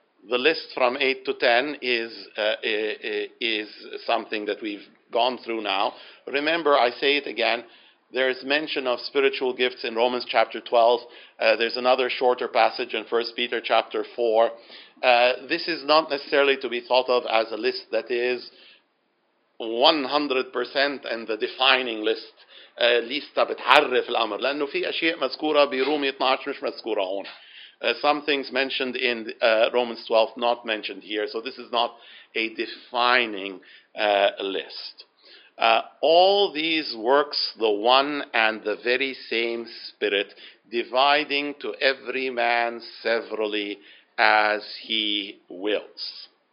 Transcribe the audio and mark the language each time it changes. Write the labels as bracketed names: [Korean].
[English] The list from 8 to 10 is something that we've gone through now. Remember, I say it again, There is mention of spiritual gifts in Romans chapter 12. There's another shorter passage in 1 Peter chapter 4. This is not necessarily to be thought of as a list that is 100% and the defining list. [Arabic] ليست بتعرف الأمر لأنه في أشياء مذكورة برومي 12 مش مذكورة هون. [English] Some things mentioned in Romans 12 not mentioned here. So this is not a defining list. All these works, the one and the very same Spirit, dividing to every man severally as he wills.